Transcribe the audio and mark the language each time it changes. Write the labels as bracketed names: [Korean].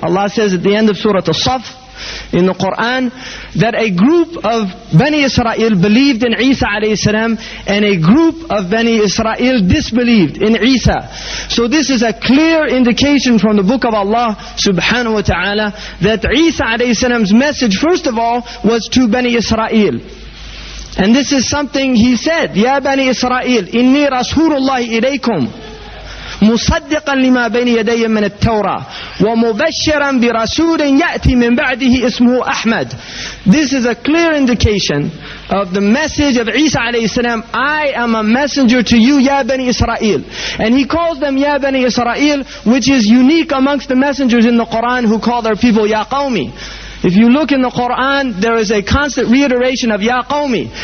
[English] Allah says at the end of Surah As-Saff in the Quran that a group of Bani Israel believed in Isa alayhi salam, and a group of Bani Israel disbelieved in Isa. So this is a clear indication from the book of Allah subhanahu wa ta'ala that Isa alayhi salam's message, first of all, was to Bani Israel. And this is something he said, [Arabic] يَا بَنِي إِسْرَائِيلِ إِنِّي رَسُولُ اللَّهِ إِلَيْكُمْ مصدقا لما بين يدي من التوراة ومبشرا برسول يأتي من بعده اسمه أحمد. [English] This is a clear indication of the message of Isa alayhi salam. I am a messenger to you, Ya Bani Israel. And he calls them Ya Bani Israel, which is unique amongst the messengers in the Quran who call their people Ya Qawmi. If you look in the Quran, there is a constant reiteration of Ya Qawmi.